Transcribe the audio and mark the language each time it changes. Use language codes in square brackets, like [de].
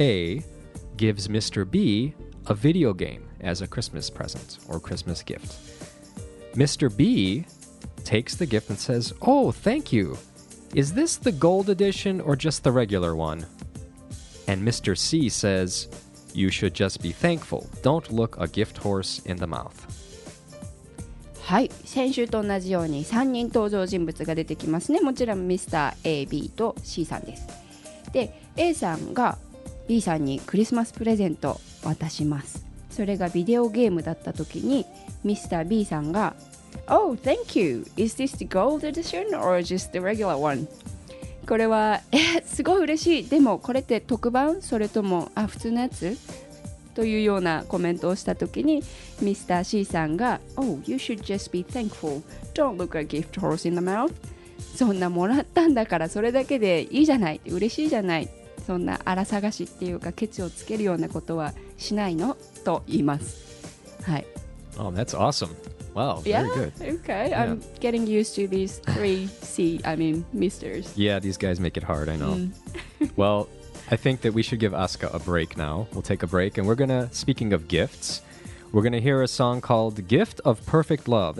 [en] A gives Mr. B a video game as a Christmas present or Christmas gift. Mr. B... takes the gift and says, oh, thank you. Is this the gold edition or just the regular one? And Mr. C says, you should just be thankful. Don't look a gift horse in the mouth. [ja] はい、先週と同じように3人登場人物が出てきますね。もちろん Mr. A、B と C さんです。で、A さんが B さんにクリスマスプレゼント渡します。それがビデオゲームだったときに Mr. [en] B [ja] さんが [en] Oh, thank you. Is this the gold edition or just the regular one? [ja] これは、すごい嬉しい。でもこれって特番それとも、あ、普通のやつというようなコメントをしたときに、Mr. [en] C [ja] さんが、 [en] Oh, you should just be thankful. Don't look a gift horse in the mouth. [ja] そんなもらったんだからそれだけでいいじゃない。嬉しいじゃない。そんな荒探しっていうかケチをつけるようなことはしないのと言います。はい。 [en] Oh, that's awesome. Wow, very yeah? good. Okay, yeah. I'm getting used to these three C, I mean, misters. Yeah, these guys make it hard, I know. Well, I think that we should give Asuka a break now. We'll take a break, and we're going to, speaking of gifts, we're going to hear a song called Gift of Perfect Love.